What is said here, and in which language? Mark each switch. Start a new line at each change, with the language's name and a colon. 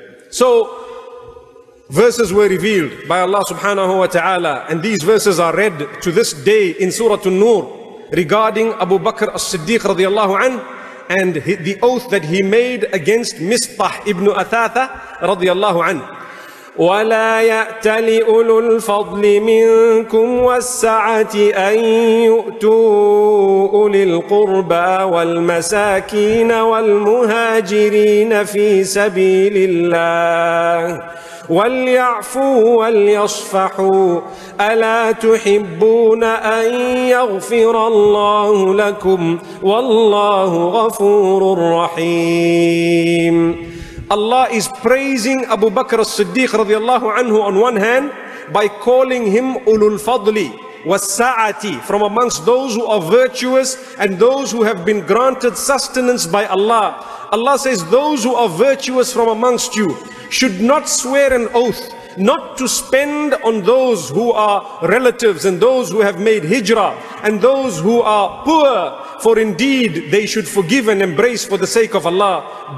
English: So, verses were revealed by Allah subhanahu wa ta'ala, and these verses are read to this day in Surah An-Nur regarding Abu Bakr as-Siddiq radiallahu anhu and the oath that he made against Misbah ibn Athatha radiallahu anhu.
Arabic: ولا يأت لأولو الفضل منكم والسعة أن يؤتوا أولي القربى والمساكين والمهاجرين في سبيل الله وليعفوا وليصفحوا ألا تحبون أن يغفر الله لكم والله غفور رحيم.
English: Allah is praising Abu Bakr as-Siddiq radiallahu anhu on one hand by calling him
Arabic: ulul fadli was sa'ati,
English: from amongst those who are virtuous and those who have been granted sustenance by Allah. Allah says, those who are virtuous from amongst you should not swear an oath not to spend on those who are relatives and those who have made hijrah and those who are poor, for indeed they should forgive and embrace for the sake of Allah.